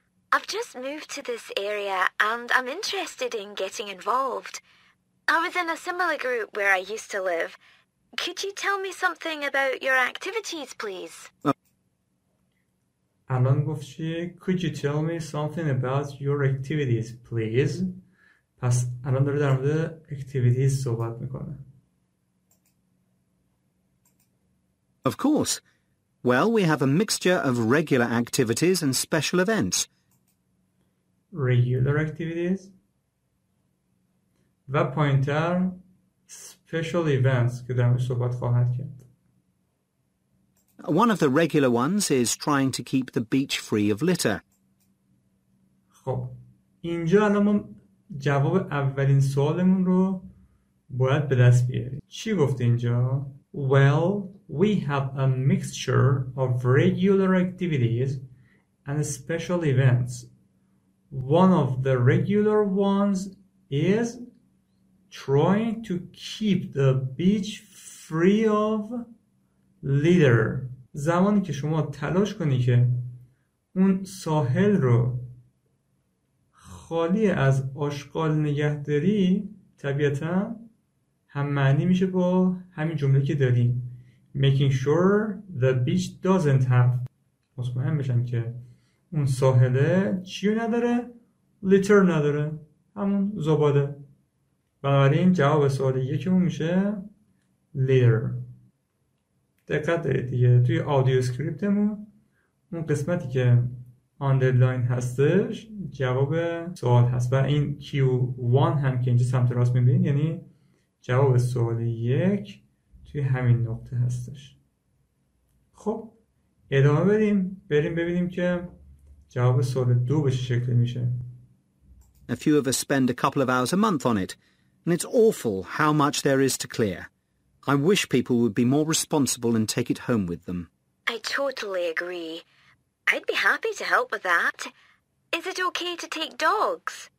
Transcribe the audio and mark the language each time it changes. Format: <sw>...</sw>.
<en>I've just moved to this area and I'm interested in getting involved. I was in a similar group where I used to live. Could you tell me something about your activities, please?</en> <fa>الان گفت چی؟</fa> <en>Could you tell me something about your activities, please?</en> <fa>پس الان داره در مورد activities صحبت میکنه.</fa> <en>Of course. Well, we have a mixture of regular activities and special events. Regular activities</en> <fa>و پایین‌تر</fa> <en>special events</en> <fa>که در مورد صحبت خواهد کرد.</fa> <en>One of the regular ones is trying to keep the beach free of litter.</en> <fa>خب اینجا الان ما جواب اولین سوالمون رو باید به دست بیاریم. چی گفت اینجا؟</fa> <en>Well, we have a mixture of regular activities and special events. One of the regular ones is trying to keep the beach free of litter.</en> <fa>زمانی که شما تلاش کنی که اون ساحل رو خالی از آشغال نگه داری، طبیعتاً هم معنی میشه با همین جمله که داریم،</fa> <en>Making sure the beach doesn't have،</en> <fa>مطمئن بشن که اون ساحله چیو نداره؟ Litter نداره، همون زباده. بنابراین جواب سوال یکمون میشه Litter. دقت دارید دیگه، توی آدیو اسکریپتمون اون قسمتی که underline هستش جواب سوال هست و این Q1 هم که اینجا سمت راست میبینید، یعنی جواب سوال یک توی همین نقطه هستش. خب ادامه بریم ببینیم که جواب سوال دو به چه شکلی میشه.</fa> <en>A few of us spend a couple of hours a month on it and it's awful how much there is to clear. I wish people would be more responsible and take it home with them. I totally agree. I'd be happy to help with that. Is it okay to take dogs?</en>